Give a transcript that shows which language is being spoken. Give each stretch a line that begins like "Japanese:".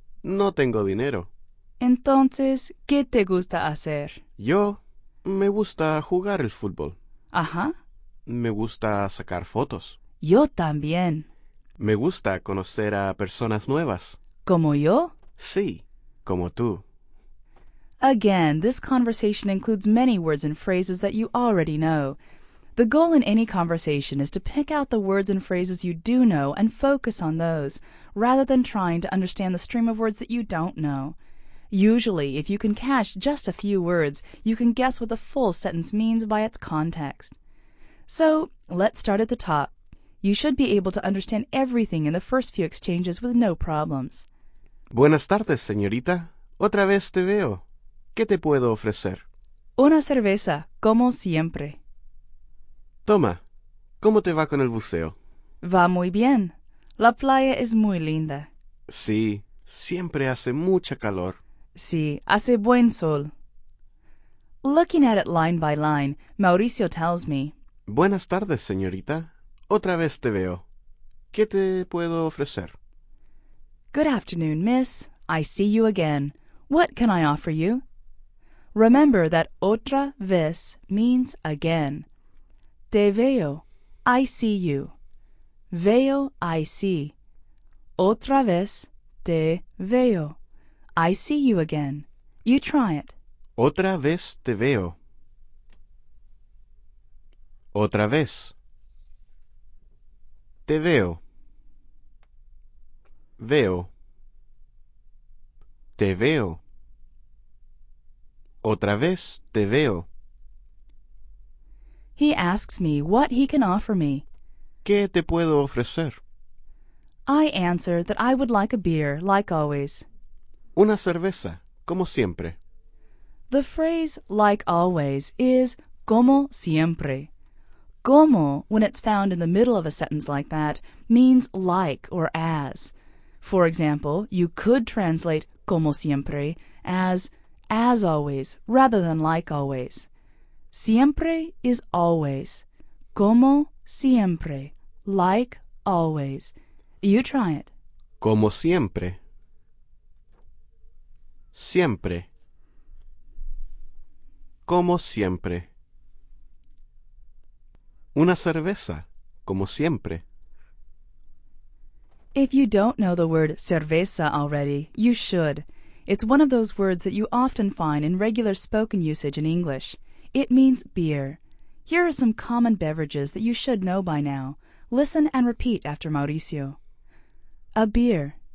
Spanish: No tengo dinero. Entonces, ¿qué te gusta hacer? Yo me gusta jugar el fútbol. Ajá. Me gusta sacar fotos. Yo también. Me gusta conocer a personas nuevas. ¿Como yo? Sí, como tú.
English: Again, this conversation includes many words and phrases that you already know. The goal in any conversation is to pick out the words and phrases you do know and focus on those, rather than trying to understand the stream of words that you don't know. Usually, if you can catch just a few words, you can guess what the full sentence means by its context. So, let's start at the top. You should be able to understand everything in the first few exchanges with no problems.
Spanish: Buenas tardes, señorita. Otra vez te veo. ¿Qué te puedo ofrecer? Una cerveza, como siempre. Toma. ¿Cómo te va con el buceo? Va muy bien. La playa es muy linda. Sí, siempre hace mucha calor. Sí, hace buen sol.
English: Looking at it line by line, Mauricio tells me,
Spanish: Buenas tardes, señorita. Otra vez te veo. ¿Qué te puedo ofrecer?
English: Good afternoon, miss. I see you again. What can I offer you? Remember that
Spanish: otra vez
English: means again.
Spanish: Te veo.
English: I see you.
Spanish: Veo,
English: I see.
Spanish: Otra vez te veo.
English: I see you again. You try it.
Spanish: Otra vez te veo. Otra vez. Te veo. Veo. Te veo. Otra vez te veo.
English: He asks me what he can offer me.
Spanish: ¿Qué te puedo ofrecer?
English: I answer that I would like a beer, like always.
Spanish: Una cerveza, como siempre.
English: The phrase like always is
Spanish: como siempre.
English: Como, when it's found in the middle of a sentence like that, means like or as. For example, you could translate
Spanish: como siempre
English: as always, rather than like always.
Spanish: Siempre
English: is always.
Spanish: Como siempre.
English: Like always. You try it.
Spanish: Como siempre. Siempre. Como siempre. Una cerveza, como siempre.
English: If you don't know the word cerveza already, you should. It's one of those words that you often find in regular spoken usage in English. It means beer. Here are some common beverages that you should know by now. Listen and repeat after Mauricio. A beer.